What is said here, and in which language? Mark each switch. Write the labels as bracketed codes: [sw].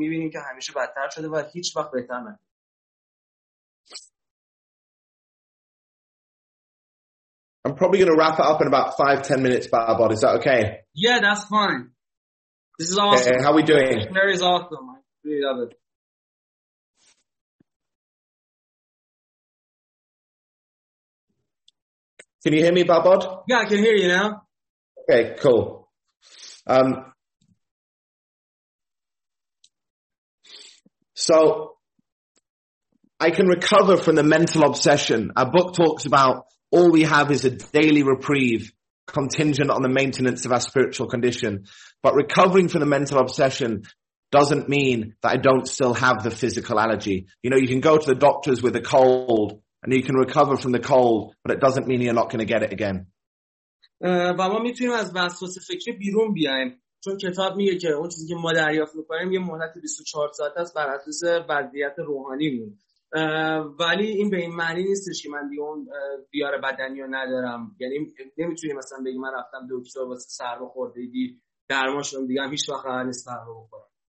[fa] که همیشه بدتر شده و هیچ وقت بهتر نه. [en] I'm probably going to wrap it up in about 5-10 minutes, Barbot. Is that okay? Yeah, that's fine. This is awesome. Hey, how are we doing? Very awesome. I really love it. Can you hear me, Babod? Yeah, I can hear you now. Okay, cool. So I can recover from the mental obsession. Our book talks about all we have is a daily reprieve, contingent on the maintenance of our spiritual condition. But recovering from the mental obsession doesn't mean that I don't still have the physical allergy. You know, you can go to the doctors with a cold and you can recover from the cold, but it doesn't mean you're not going to get it again. [fa] و ما میتونیم از وسواس فکری بیرون بیایم، چون کتاب میگه که اون چیزی که ما دریافت میکنیم یه مهلت 24 ساعت است بر اساس وضعیت روحانیمون. ولی این به این معنی نیستش که من دیگه اون بیار بدنی رو ندارم، یعنی نمیتونیم مثلا بگیم من رفتم دکتر واسه سرماخوردگی درمانشون دیگه هم هیچ وقت قرار نیست سر رو بخورم.